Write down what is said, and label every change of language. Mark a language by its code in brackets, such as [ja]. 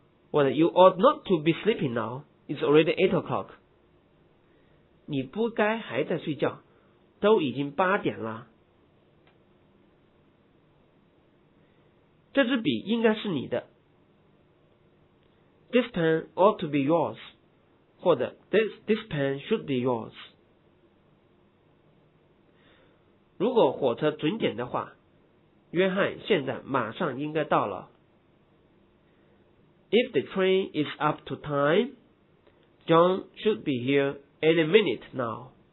[en] Well, you ought not to be sleeping now. It's already 8 o'clock. [zh] 你不该还在睡觉，都已经8点了。这支笔应该是你的。 [en] This pen ought to be yours. 或者 this pen should be yours. [zh] 如果火车准点的话，约翰现在马上应该到了。 [en] If the train is up to time, John should be here any minute now.